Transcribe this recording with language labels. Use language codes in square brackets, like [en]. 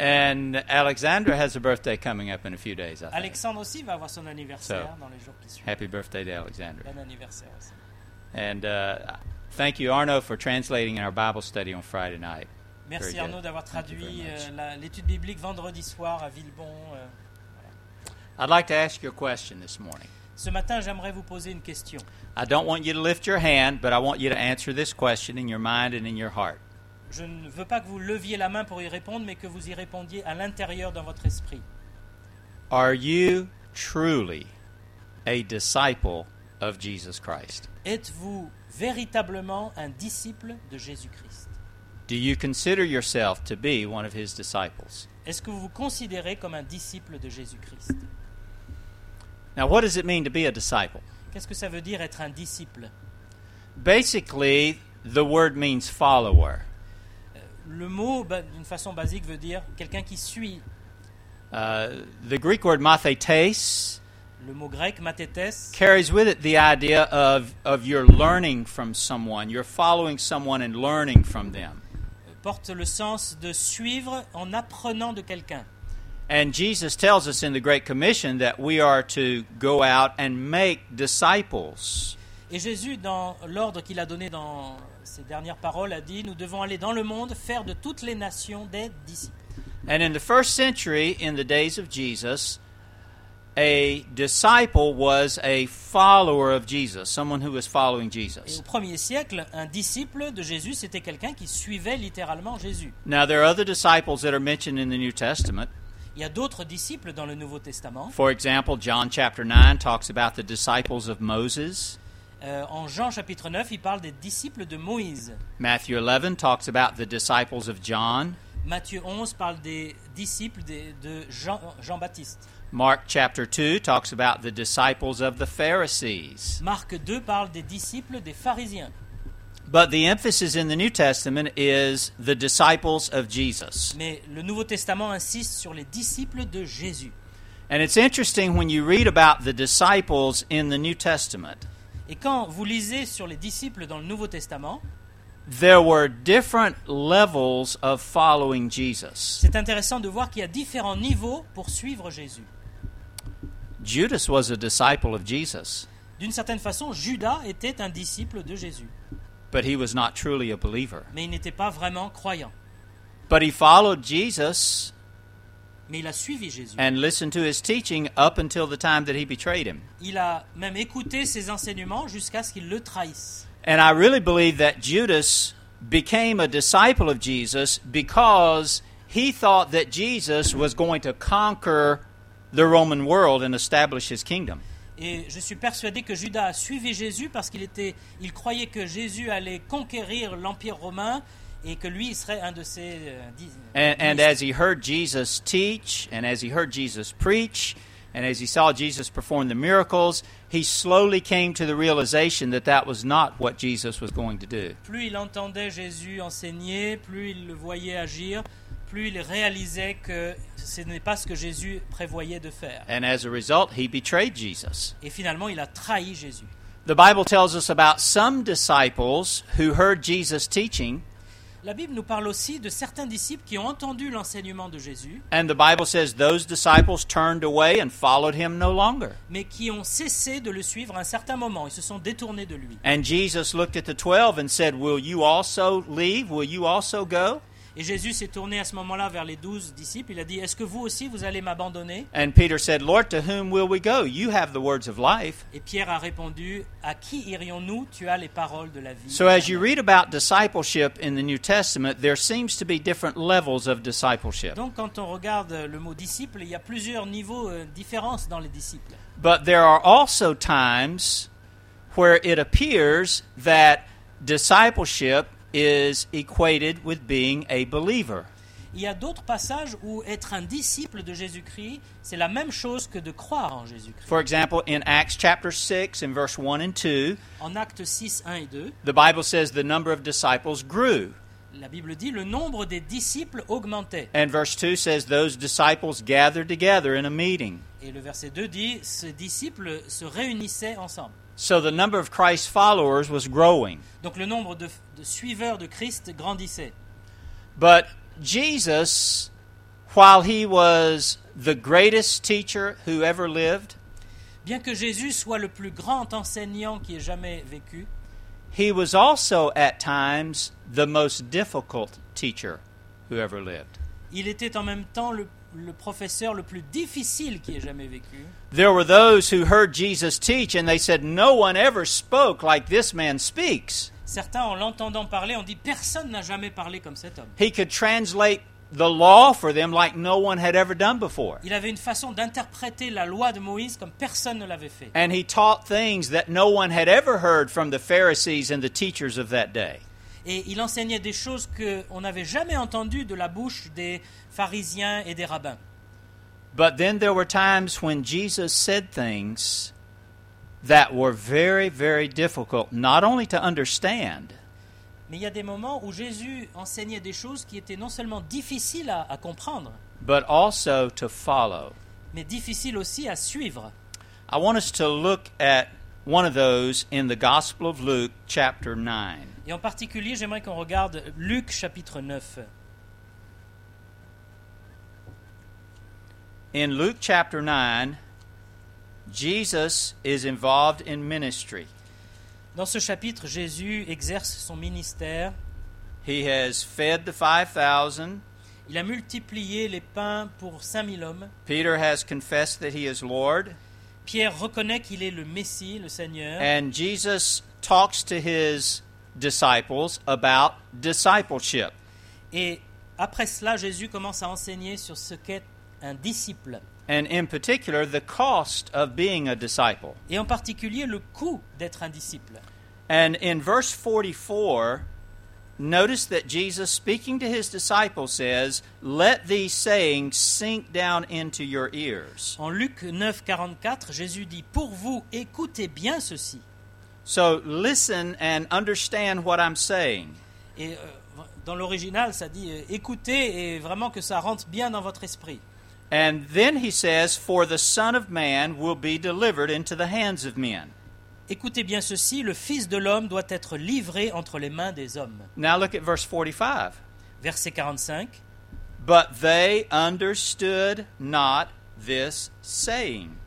[en] And Alexandra has a birthday coming up in a few days, I think. [fr] Alexandre aussi va avoir son anniversaire dans les jours qui suivent. [en] Happy birthday to Alexandra. [fr] Bon anniversaire aussi. [en] And thank you, Arnaud, for translating our Bible study on Friday night. [fr] Merci, Arnaud, d'avoir traduit l'étude biblique vendredi soir à Villebon. [en] I'd like to ask you a question this morning. [fr] Ce matin, j'aimerais vous poser une question. [en] I don't want you to lift your hand, but I want you to answer this question in your mind and in your heart. [fr] Je ne veux pas que vous leviez la main pour y répondre, mais que vous y répondiez à l'intérieur dans votre esprit. [en] Are you truly a disciple of Jesus Christ? [fr] Êtes-vous véritablement un disciple de Jésus-Christ? [en] Do you consider yourself to be one of his disciples? [fr] Est-ce que vous vous considérez comme un disciple de Jésus-Christ? [en] Now, what does it mean to be a disciple? [fr] Qu'est-ce que ça veut dire être un disciple? [en] Basically, the word means follower. [fr] Le mot, d'une façon basique, veut dire quelqu'un qui suit. [en] The Greek word mathetes. [fr] Le mot grec mathetes [en] carries with it the idea of you're learning from someone, you're following someone and learning from them. [fr] Porte le sens de suivre en apprenant de quelqu'un. [en] And Jesus tells us in the Great Commission that we are to go out and make disciples. [fr] Et Jésus, dans l'ordre qu'il a donné dans ses dernières paroles, a dit, nous devons aller dans le monde, faire de toutes les nations des disciples. [en] And in the first century, in the days of Jesus, a disciple was a follower of Jesus, someone who was following Jesus. [fr] Et au premier siècle, un disciple de Jésus, c'était quelqu'un qui suivait littéralement Jésus. [en] Now, there are other disciples that are mentioned in the New Testament. [fr] Il y a d'autres disciples dans le Nouveau Testament. [en] For example, John chapter 9 talks about the disciples of Moses. [fr] En Jean chapitre 9, il parle des disciples de Moïse. [en] Matthew 11 talks about the disciples of John. [fr] Matthieu 11 parle des disciples de Jean-Baptiste. [en] Mark chapter 2 talks about the disciples of the Pharisees. [fr] Marc 2 parle des disciples des pharisiens. [en] But the emphasis in the New Testament is the disciples of Jesus. [fr] Mais le Nouveau Testament insiste sur les disciples de Jésus. [en] And it's interesting when you read about the disciples in the New Testament. [fr] Et quand vous lisez sur les disciples dans le Nouveau Testament, [en] there were different levels of following Jesus. [fr] C'est intéressant de voir qu'il y a différents niveaux pour suivre Jésus. [en] Judas was a disciple of Jesus. [fr] D'une certaine façon, Judas était un disciple de Jésus. [en] But he was not truly a believer. [fr] Mais il n'était pas vraiment croyant. [en] But he followed Jesus. [fr] Mais il a suivi Jésus. [en] And listened to his teaching up until the time that he betrayed him. [fr] Il a même écouté ses enseignements jusqu'à ce qu'il le trahisse. [en] And I really believe that Judas became a disciple of Jesus because he thought that Jesus was going to conquer the Roman world and establish his kingdom. [fr] Et je suis persuadé que Judas a suivi Jésus parce qu'il croyait que Jésus allait conquérir l'Empire romain et que lui serait un de ses disciples. [en] And as he heard Jesus teach, and as he heard Jesus preach, and as he saw Jesus perform the miracles, he slowly came to the realization that that was not what Jesus was going to do. [fr] Plus il entendait Jésus enseigner, plus il le voyait agir, plus il réalisait que ce n'est pas ce que Jésus prévoyait de faire. [en] And as a result, he betrayed Jesus. [fr] Et finalement, il a trahi Jésus. [en] The Bible tells us about some disciples who heard Jesus' teaching. [fr] La Bible nous parle aussi de certains disciples qui ont entendu l'enseignement de Jésus. [en] And the Bible says those disciples turned away and followed him no longer. [fr] Mais qui ont cessé de le suivre à un certain moment, ils se sont détournés de lui. [en] And Jesus looked at the 12 and said, "Will you also leave? Will you also go?" [fr] Et Jésus s'est tourné à ce moment-là vers les 12 disciples, il a dit, "Est-ce que vous aussi vous allez m'abandonner?" [en] And Peter said, "Lord, to whom will we go? You have the words of life." [fr] Et Pierre a répondu, "À qui irions-nous? Tu as les paroles de la vie." [en] So as you read about discipleship in the New Testament, there seems to be different levels of discipleship. [fr] Donc quand on regarde le mot disciple, il y a plusieurs niveaux différences dans les disciples. [en] But there are also times where it appears that discipleship is equated with being a believer. [fr] Il y a d'autres passages où être un disciple de Jésus-Christ, c'est la même chose que de croire en Jésus-Christ. [en] For example, in Acts chapter 6 in verse 1 and 2, [fr] en Actes 6, 1 et 2, [en] the Bible says the number of disciples grew. [fr] La Bible dit le nombre des disciples augmentait. [en] And verse 2 says those disciples gathered together in a meeting. [fr] Et le verset 2 dit ces disciples se réunissaient ensemble. [en] So the number of Christ's followers was growing. [fr] Donc le nombre de suiveurs de Christ grandissait. [en] But Jesus, while he was the greatest teacher who ever lived, [fr] bien que Jésus soit le plus grand enseignant qui ait jamais vécu, [en] he was also at times the most difficult teacher who ever lived. [fr] Il était en même temps le professeur le plus difficile qui ait jamais vécu. [en] There were those who heard Jesus teach and they said, "No one ever spoke like this man speaks." [fr] Certains, en l'entendant parler, ont dit, "Personne n'a jamais parlé comme cet homme." [en] He could translate the law for them like no one had ever done before. [fr] Il avait une façon d'interpréter la loi de Moïse comme personne ne l'avait fait. [en] And he taught things that no one had ever heard from the Pharisees and the teachers of that day. [fr] Et il enseignait des choses qu'on n'avait jamais entendues de la bouche des pharisiens et des rabbins. [en] But then there were times when Jesus said things that were very, very difficult, not only to understand. [fr] Mais il y a des moments où Jésus enseignait des choses qui étaient non seulement difficiles à comprendre, [en] but also to follow. [fr] Mais difficiles aussi à suivre. [en] I want us to look at one of those in the Gospel of Luke, chapter 9. [fr] Et en particulier, j'aimerais qu'on regarde Luc, chapitre 9. [en] In Luke, chapter 9, Jesus is involved in ministry. [fr] Dans ce chapitre, Jésus exerce son ministère. [en] He has fed the 5,000. [fr] Il a multiplié les pains pour 5,000 hommes. [en] Peter has confessed that he is Lord. [fr] Pierre reconnaît qu'il est le Messie, le Seigneur. [en] And Jesus talks to his disciples about discipleship. [fr] Et après cela, Jésus commence à enseigner sur ce qu'est un disciple. [en] And in particular, the cost of being a disciple. [fr] Et en particulier, le coût d'être un disciple. [en] And in verse 44, notice that Jesus, speaking to his disciples, says, "Let these sayings sink down into your ears." [fr] En Luc 9, 44, Jésus dit, "Pour vous, écoutez bien ceci." [en] So listen and understand what I'm saying. [fr] Et dans l'original, ça dit, écoutez et vraiment que ça rentre bien dans votre esprit. [en] And then he says, "For the Son of Man will be delivered into the hands of men." [fr] Écoutez bien ceci, le Fils de l'homme doit être livré entre les mains des hommes. [en] Now look at verse 45. [fr] Verset 45. [en] But they understood not this saying.